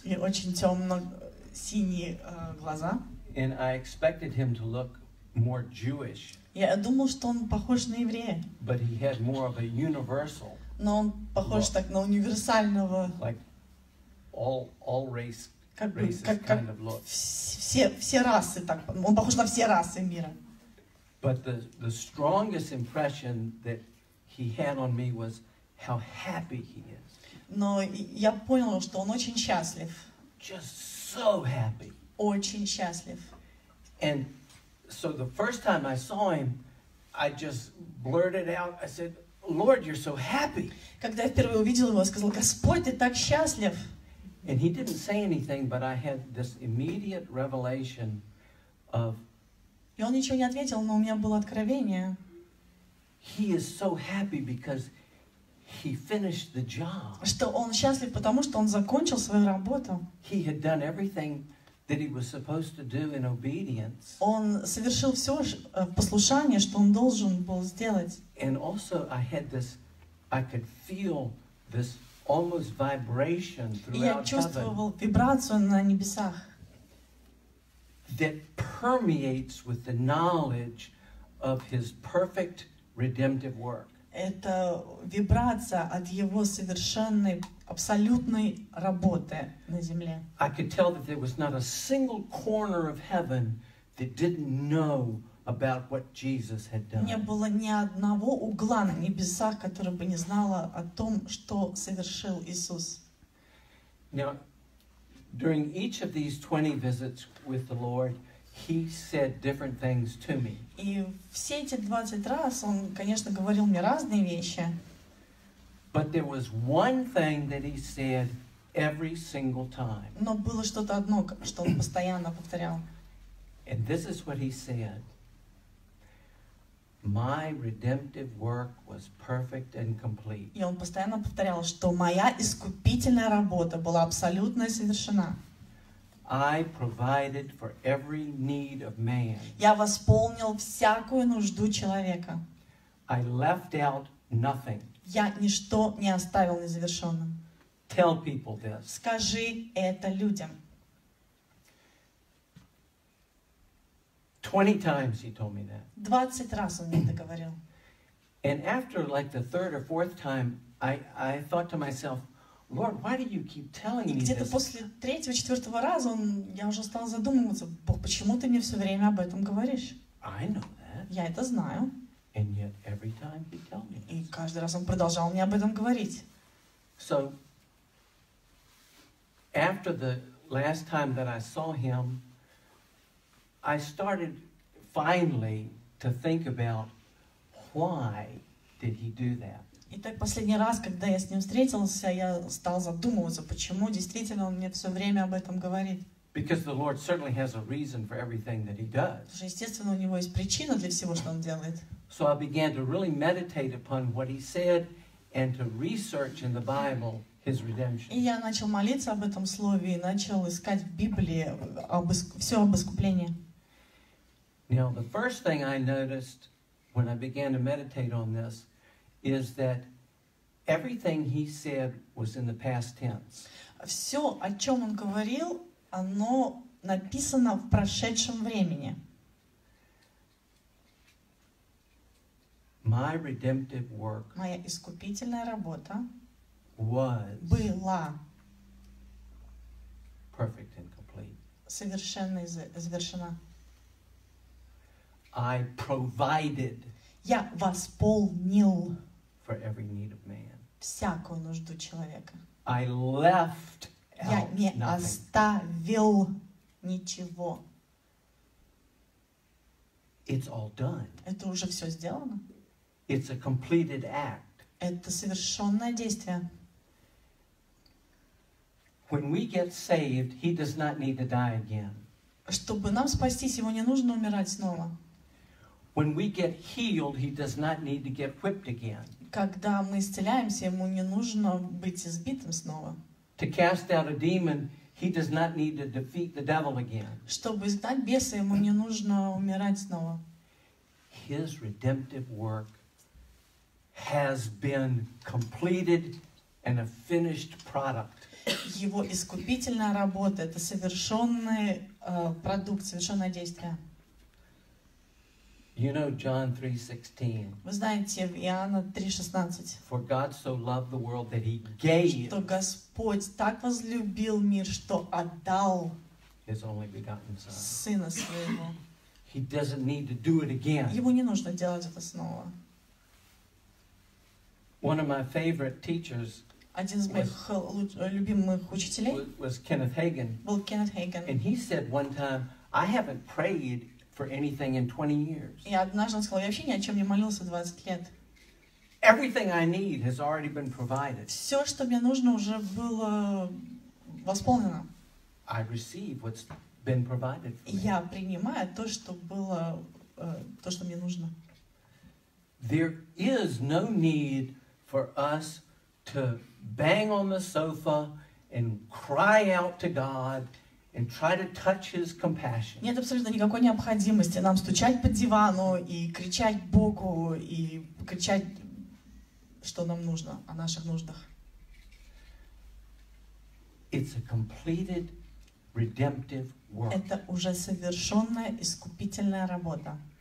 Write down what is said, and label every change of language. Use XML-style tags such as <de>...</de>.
<ru>И очень темно-синие глаза.</ru> <en>And I expected him to look more Jewish.</en> <ru>Я думал, что он похож на еврея.</ru> <en>But he had more of a universal.</en> <ru>Но он похож так на универсального.</ru> <en>Like all race.</en> <ru>Как</ru> <en>kind of look.</en> <ru>Все расы так. Он похож на все расы мира.</ru> <en>But the strongest impression that he had on me was how happy he is.</en> <ru>Но я понял, что он очень счастлив.</ru> <en>Just so happy.</en> <ru>Очень счастлив.</ru> <en>And so the first time I saw him, I just blurted out. I said, "Lord, you're so happy."</en> <ru>Когда я впервые увидел его, я сказал: "Господь, ты так счастлив."</ru> <en>And he didn't say anything, but I had this immediate revelation of.</en> <ru>И он ничего не ответил, но у меня было откровение.</ru> <en>He is so happy because he finished the job.</en> <ru>Что он счастлив, потому что он закончил свою работу.</ru> <en>He had done everything that he was supposed to do in obedience.</en> <ru>Он совершил все послушание, что он должен был сделать.</ru> <en>And also I had this, I could feel this almost vibration throughout heaven.</en> <ru>Я чувствовал вибрацию на небесах.</ru> <en>That permeates with the knowledge of his perfect redemptive work.</en> <ru>Это вибрация от его совершенной абсолютной работы на земле.</ru> <en>I could tell that there was not a single corner of heaven that didn't know about what Jesus had done.</en> <ru>Не было ни одного угла на небесах, который бы не знал о том, что совершил Иисус.</ru> <en>Now, during each of these 20 visits with the Lord, he said different things to me.</en> <ru>И все эти 20 раз он, конечно, говорил мне разные вещи.</ru> <en>But there was one thing that he said every single time.</en> <ru>Но было что-то одно, что он постоянно повторял.</ru> <en>And this is what he said. My redemptive work was perfect and complete.</en> <ru>И он постоянно повторял, что моя искупительная работа была абсолютно совершена.</ru> <en>I provided for every need of man.</en> <ru>Я восполнил всякую нужду человека.</ru> <en>I left out nothing.</en> <ru>Я ничто не оставил незавершенным.</ru> <en>Tell people this.</en> <ru>Скажи это людям.</ru> <en>20 times he told me that.</en> <ru>20 раз он мне это говорил.</ru> <en>And after like the third or fourth time, I thought to myself, Lord, why do you keep telling me this?</en> <ru>И где-то после третьего-четвертого раза он, я уже стал задумываться, Бог, почему ты мне все время об этом говоришь?</ru> <en>I know that.</en> <ru>Я это знаю.</ru> <en>And yet every time he tell me.</en> <ru>И каждый раз он продолжал мне об этом говорить.</ru> <en>So after the last time that I saw him, I started finally to think about why did he do that.</en> <ru>И так последний раз, когда я с ним встретился, я стал задумываться, почему действительно он мне все время об этом говорит.</ru> <en>Because the Lord certainly has a reason for everything that he does.</en> <ru>Потому что, естественно, у него есть причина для всего, что он делает.</ru> <en>So I began to really meditate upon what he said and to research in the Bible his redemption.</en> <ru>И я начал молиться об этом слове и начал искать в Библии все об искуплении.</ru> <en>Now, the first thing I noticed when I began to meditate on this is that everything he said was in the past tense.</en> <ru>Все, о чем он говорил, оно написано в прошедшем времени.</ru> <en>My redemptive work,</en> <ru>моя искупительная работа,</ru> <en>was</en> <ru>была</ru> <en>perfect and complete.</en> <ru>Совершенно завершена.</ru> <en>I provided.</en> <ru>Я восполнил.</ru> <en>For every need of man.</en> <ru>Всякую нужду человека.</ru> <en>I left out</en> <ru>Я не</ru> <en>nothing.</en> <ru>Оставил ничего.</ru> <en>It's all done.</en> <ru>Это уже все сделано.</ru> <en>It's a completed act.</en> <ru>Это совершенное действие.</ru> <en>When we get saved, he does not need to die again.</en> <ru>Чтобы нам спастись, ему не нужно умирать снова.</ru> <en>When we get healed, he does not need to get whipped again.</en> <ru>Когда мы исцеляемся, ему не нужно быть избитым снова.</ru> <en>To cast out a demon, he does not need to defeat the devil again.</en> <ru>Чтобы изгнать беса, ему не нужно умирать снова.</ru> <en>His redemptive work has been completed and a finished product.</en> <ru>Его искупительная работа — это совершенный продукт, совершенное действие.</ru> <en>You know John 3:16.</en> <ru>Вы знаете Иоанна 3:16.</ru> <en>For God so loved the world that he gave.</en> <ru>Что Господь так возлюбил мир, что отдал</ru> <en>his only begotten son.</en> <ru>Сына своего.</ru> <en>He doesn't need to do it again.</en> <ru>Ему не нужно делать это снова.</ru> <en>One of my favorite teachers.</en> <ru>Один из моих любимых учителей.</ru> <en>Was Kenneth Hagin.</en> <ru>Был Кеннет Хейган.</ru> <en>And he said one time, I haven't prayed for anything in 20 years.</en> <ru>Я однажды сказал, я вообще ни о чем не молился 20 лет.</ru> <en>Everything I need has already been provided.</en> <ru>Все, что мне нужно, уже было восполнено.</ru> <en>I receive what's been provided for me.</en> <ru>Я принимаю то, что было, то, что мне нужно.</ru> <en>There is no need for us to bang on the sofa and cry out to God and try to touch his compassion.</en> <ru>Нет абсолютно никакой необходимости нам стучать по дивану и кричать Богу и кричать, что нам нужно, о наших нуждах.</ru> <en>It's a completed redemptive work.</en> <ru>Это уже совершенная искупительная работа.</ru>